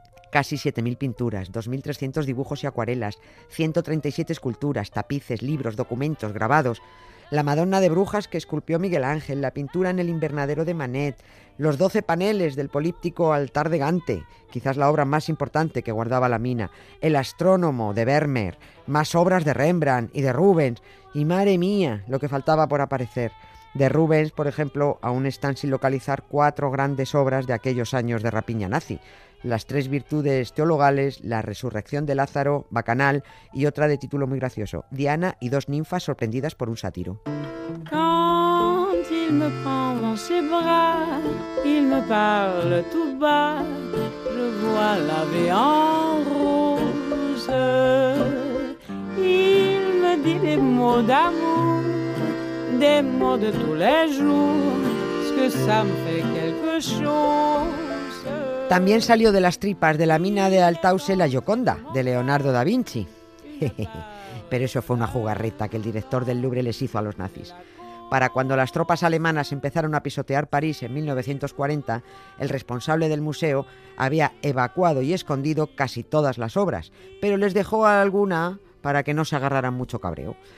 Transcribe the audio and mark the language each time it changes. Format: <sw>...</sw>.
<es>Casi 7.000 pinturas, 2.300 dibujos y acuarelas, 137 esculturas, tapices, libros, documentos, grabados, la Madonna de Brujas que esculpió Miguel Ángel, la pintura en el invernadero de Manet, los 12 paneles del políptico Altar de Gante, quizás la obra más importante que guardaba la mina, el astrónomo de Vermeer, más obras de Rembrandt y de Rubens, y madre mía, lo que faltaba por aparecer. De Rubens, por ejemplo, aún están sin localizar cuatro grandes obras de aquellos años de rapiña nazi: Las tres virtudes teologales, La resurrección de Lázaro, Bacanal y otra de título muy gracioso, Diana y dos ninfas sorprendidas por un sátiro.</es> <fr>Quand il me prend dans ses bras, il me parle tout bas, je vois la vie en rose. Il me dit des mots d'amour, des mots de tous les jours, parce que ça me fait quelque chose.</fr> <es>También salió de las tripas de la mina de Altause la Gioconda, de Leonardo da Vinci. Pero eso fue una jugarreta que el director del Louvre les hizo a los nazis. Para cuando las tropas alemanas empezaron a pisotear París en 1940, el responsable del museo había evacuado y escondido casi todas las obras, pero les dejó alguna para que no se agarraran mucho cabreo.</es>